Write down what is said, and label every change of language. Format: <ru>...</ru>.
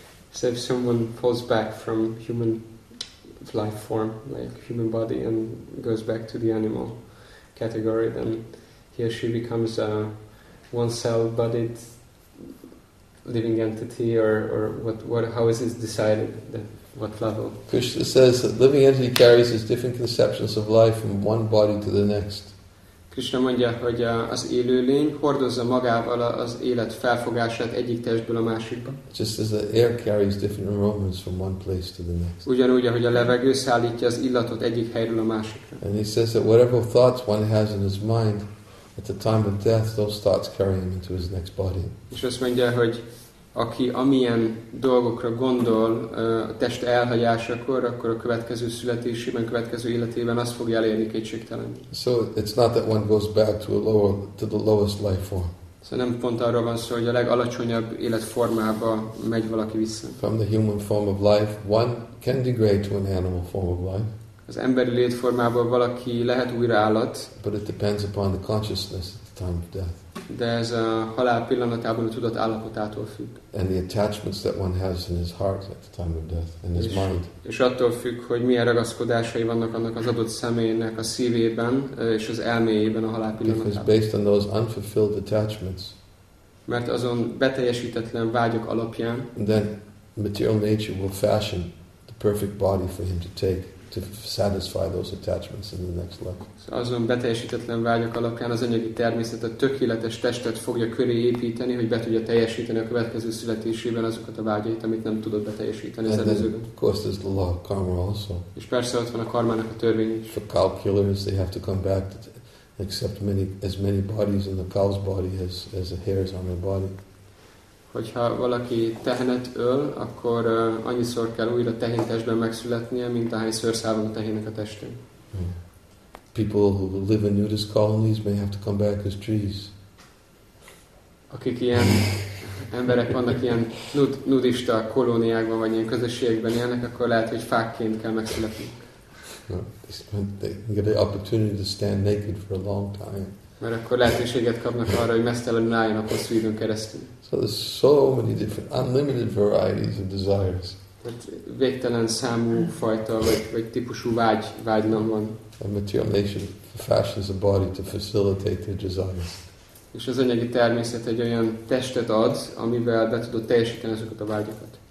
<en>So if someone falls back from human life form, like human body, and goes back to the animal category, then he or she becomes a one-cell-bodied living entity, or what? How is it decided? What level? Krishna says that living entity carries his different conceptions of life from one body to the next.</en> <hu>Krishna mondja, hogy az élőlény hordozza magával az élet felfogását egyik testből a másikba.</hu> <en>Just as the air carries different aromas from one place to the next.</en> <hu>Ugyanúgy, ahogy a levegő szállítja az illatot egyik helyről a másikra.</hu> <en>And he says that whatever thoughts one has in his mind at the time of death, those thoughts carry him into his next body.</en> <hu>És azt mondja, hogy aki amilyen dolgokra gondol a test elhagyásakor, akkor a következő születésében, a következő életében azt fogja elérni kétségtelen.</hu> <en>So it's not that one goes back to the lowest life form.</en> <hu>So nem pont arról van szó, hogy a legalacsonyabb életformába megy valaki vissza.</hu> <en>From the human form of life, one can degrade to an animal form of life.</en> <hu>Az emberi létformából valaki lehet újra állat.</hu> <en>But it depends upon the consciousness at the time of death.</en> <hu>De ez a halál pillanatában a tudat állapotától függ.</hu> <en>And the attachments that one has in his heart at the time of death, in his mind.</en> <hu>És attól függ, hogy milyen ragaszkodásai vannak annak az adott személynek a szívében és az elméjében a halál pillanatában.</hu> <en>Because based on those unfulfilled attachments,</en> <hu>mert azon beteljesítetlen vágyok alapján,</hu> <en>then material nature will fashion the perfect body for him to take. To satisfy those attachments in the next life.</en> <hu>So azon beteljesítetlen vágyak alapján az anyagi természet a tökéletes testet fogja köré építeni, hogy be tudja teljesíteni a következő születésében azokat a vágyait, amit nem tudott beteljesíteni az előzőben.</hu> <en>Of course, there's the law of karma also.</en> <hu>És persze ott van a karmának a törvény is.</hu> <en>For cow killers, they have to come back to accept as many bodies in the cow's body as the hairs on their body.</en> <hu>Hogyha valaki tehenet öl, akkor annyiszor kell újra tehén testben megszületnie, mint ahány szőrszál a tehének a testén.</hu> <en>People who live in nudist colonies may have to come back as trees.</en> <hu>Akik ilyen emberek vannak ilyen nudista kolóniákban, vagy ilyen közösségben élnek, akkor lehet, hogy fákként kell megszületni.</hu> <en>They get an opportunity to stand naked for a long time.</en> <hu>Mert akkor lehetőséget kapnak arra, hogy mesztelenül álljanak hosszú időn keresztül.</hu> <en>So there's so many different, unlimited varieties of desires.</en> <hu>Tehát végtelen számú fajta, vagy típusú vágynak van.</hu> <en>A material nature fashions a body to facilitate their desires.</en> <hu>És az anyagi természet egy olyan testet ad, amivel be tudod teljesíteni ezeket a vágyakat.</hu>